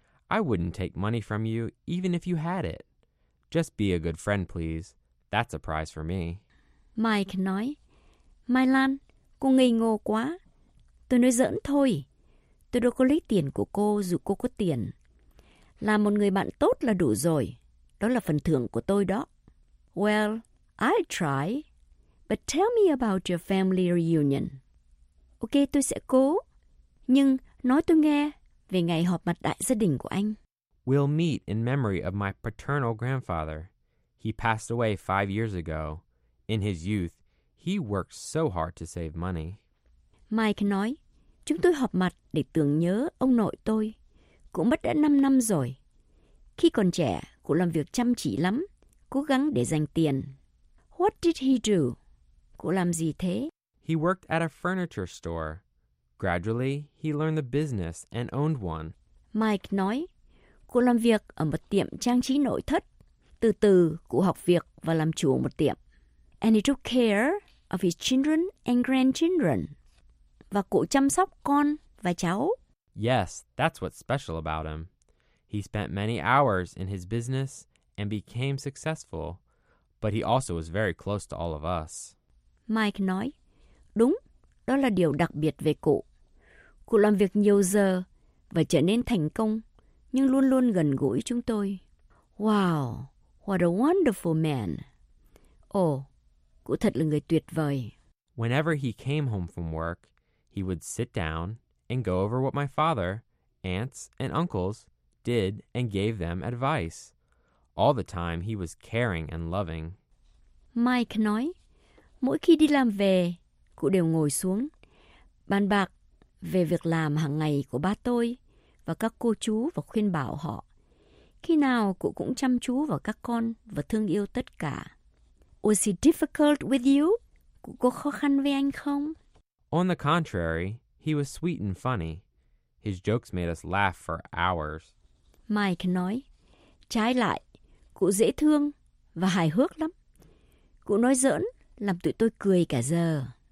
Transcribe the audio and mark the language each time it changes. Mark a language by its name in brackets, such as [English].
[English] I wouldn't take money from you even if you had it. Just be a good friend, please. That's a prize for me. [Vietnamese] Mike nói, My Lan, cô ngây ngô quá. Tôi nói giỡn thôi. Tôi đâu có lấy tiền của cô dù cô có tiền. Là một người bạn tốt là đủ rồi. Đó là phần thưởng của tôi đó. [English] Well, I'll try. But tell me about your family reunion. [Vietnamese] Ok, tôi sẽ cố. Nhưng nói tôi nghe về ngày họp mặt đại gia đình của anh. [English] We'll meet in memory of my paternal grandfather. He passed away 5 years ago. In his youth, he worked so hard to save money. [Vietnamese] Mike nói, chúng tôi họp mặt để tưởng nhớ ông nội tôi. Cụ mất đã 5 năm rồi. Khi còn trẻ, cụ làm việc chăm chỉ lắm, cố gắng để dành tiền. [English] What did he do? [Vietnamese] Cụ làm gì thế? [English] He worked at a furniture store. Gradually, he learned the business and owned one. [Vietnamese] Mike nói, cụ làm việc ở một tiệm trang trí nội thất. Từ từ, cụ học việc và làm chủ một tiệm. [English] And he took care of his children and grandchildren. [Vietnamese] Và cụ chăm sóc con và cháu. [English] Yes, that's what's special about him. He spent many hours in his business and became successful. But he also was very close to all of us. [Vietnamese] Mike nói, đúng, đó là điều đặc biệt về cụ. Cụ làm việc nhiều giờ và trở nên thành công, nhưng luôn luôn gần gũi chúng tôi. [English] Wow, what a wonderful man. [Vietnamese] Oh, cụ thật là người tuyệt vời. [English] Whenever he came home from work, he would sit down and go over what my father, aunts, and uncles did and gave them advice. All the time, he was caring and loving. [Vietnamese] Mike nói, mỗi khi đi làm về, cụ đều ngồi xuống, bàn bạc về việc làm hàng ngày của ba tôi và các cô chú và khuyên bảo họ. Khi nào cụ cũng chăm chú vào các con và thương yêu tất cả. [English] Was he difficult with you? [Vietnamese] Cụ có khó khăn với anh không? [English] On the contrary, he was sweet and funny. His jokes made us laugh for hours. [Vietnamese] Mike nói, trái lại, cụ dễ thương và hài hước lắm. Cụ nói giỡn, làm tụi tôi cười cả giờ.